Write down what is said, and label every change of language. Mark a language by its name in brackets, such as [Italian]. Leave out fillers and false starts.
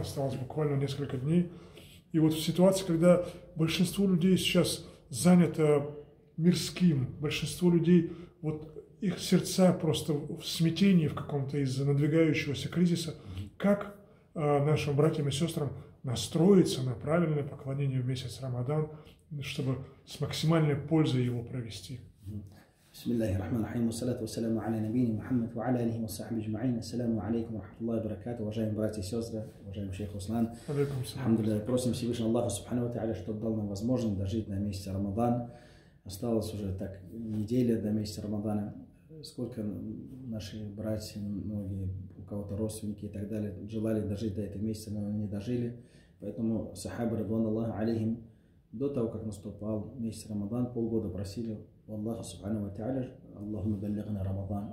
[Russian] Осталось буквально несколько дней. И вот в ситуации, когда большинство людей сейчас занято мирским, большинство людей, вот их сердца просто в смятении в каком-то из-за надвигающегося кризиса, как нашим братьям и сестрам настроиться на правильное поклонение в месяц Рамадан, чтобы с максимальной пользой его провести? [Arabic] بسم الله الرحمن الرحيم والصلاة والسلام على نبينا محمد وعلى آله وصحبه أجمعين. السلام عليكم ورحمة الله وبركاته. وجايم براتي سيوزرا وجايم شيخ أسلان. الحمد لله. [Russian] просим Всевышнего Аллаха Субхана ва Тааля, чтобы дал нам возможность дожить на месяц Рамадан. Осталось уже так неделя до месяца Рамадана. Сколько наши братья, многие, у кого-то родственники и так далее, желали дожить до этого месяца, но не дожили. Поэтому сахабы радуан Аллаху алейхим до того, как наступал месяц Рамадан, полгода просили Аллаха Субхана ва Тааля, [Arabic] Аллахумма баллигна Рамадан.